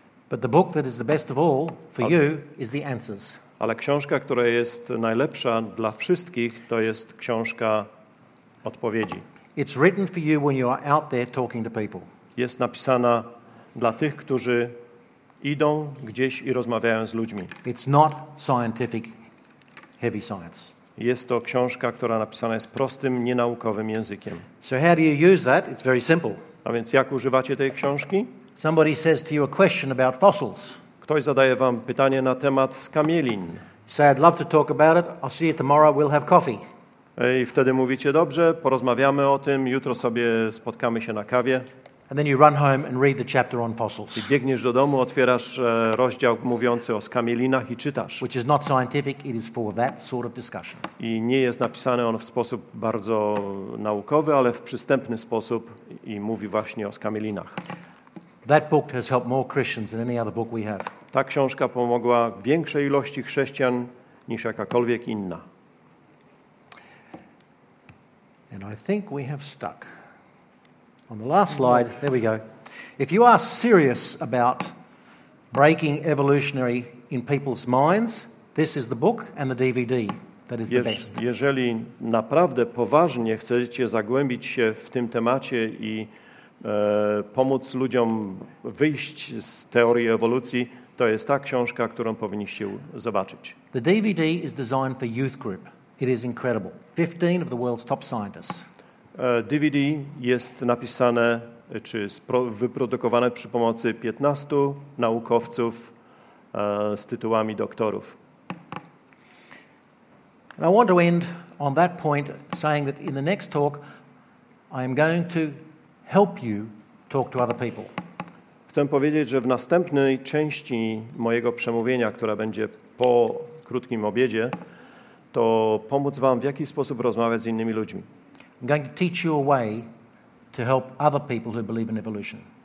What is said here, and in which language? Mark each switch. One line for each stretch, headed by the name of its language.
English: But the book that is the best of all for you is The Answers.
Polish: Ale książka, która jest najlepsza dla wszystkich, to jest książka Odpowiedzi.
English: It's written for you when you are out there talking to people.
Polish: Jest napisana dla tych, którzy idą gdzieś i rozmawiają z ludźmi.
English: It's not scientific, heavy science.
Polish: Jest to książka, która napisana jest prostym, nienaukowym językiem.
English: So how do you use that? It's very simple.
Polish: A więc jak używacie tej książki?
English: Somebody says to you a question about fossils.
Polish: Ktoś zadaje wam pytanie na temat skamielin.
English: Say, I'd love to talk about it. I'll see you tomorrow. We'll have coffee.
Polish: I wtedy mówicie, dobrze, porozmawiamy o tym. Jutro sobie spotkamy się na kawie.
English: And then you run home and read the chapter on fossils.
Polish: I biegniesz do domu, otwierasz rozdział mówiący o skamielinach i czytasz.
English: Which is not scientific, it is for that sort of discussion.
Polish: I nie jest napisane on w sposób bardzo naukowy, ale w przystępny sposób i mówi właśnie o skamielinach.
English: That book has helped more Christians than any other book we have.
Polish: Ta książka pomogła większej ilości chrześcijan niż jakakolwiek inna.
English: And I think we have stuck. On the last slide, there we go. If you are serious about breaking evolutionary in people's minds, this is the book and the DVD that is the best.
Polish: Jeżeli naprawdę poważnie chcecie zagłębić się w tym temacie i pomóc ludziom wyjść z teorii ewolucji, To jest ta książka, którą powinniście zobaczyć.
English: The DVD is designed for youth group. It is incredible. 15 of the world's top scientists.
Polish: DVD jest napisane czy wyprodukowane przy pomocy 15 naukowców z tytułami doktorów.
English: And I want to end on that point saying that in the next talk I am going to help you talk to other people.
Polish: Chcę powiedzieć, że w następnej części mojego przemówienia, która będzie po krótkim obiedzie, to pomóc wam w jakiś sposób rozmawiać z innymi ludźmi.
English: I'm going to teach you a way to help other people who believe in evolution.